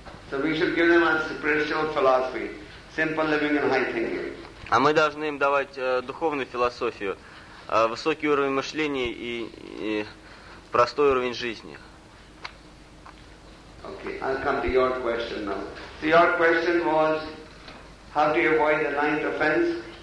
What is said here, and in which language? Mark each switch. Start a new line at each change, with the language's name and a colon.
English: So we should give them a spiritual philosophy, simple living and high thinking.
Russian: А мы должны им давать духовную философию, высокий уровень мышления и простой уровень жизни.
English: Okay, I'll come to your question now. So your question was, how do you avoid the ninth offense?